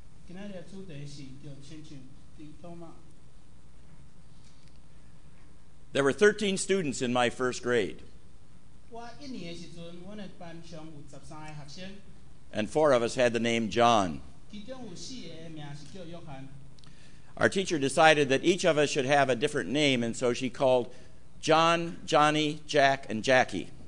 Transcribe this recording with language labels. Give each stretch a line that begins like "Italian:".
Chinese: 今天的主题是叫亲近弟兄们。
English: There were 13 students in my first grade.
Chinese: 我一年的时候，我的班上有13个学生。
English: And four of us had the name John.
Chinese: 其中有四个名是叫约翰。
English: Our teacher decided that each of us should have a different name, and so she called John, Johnny, Jack, and Jackie.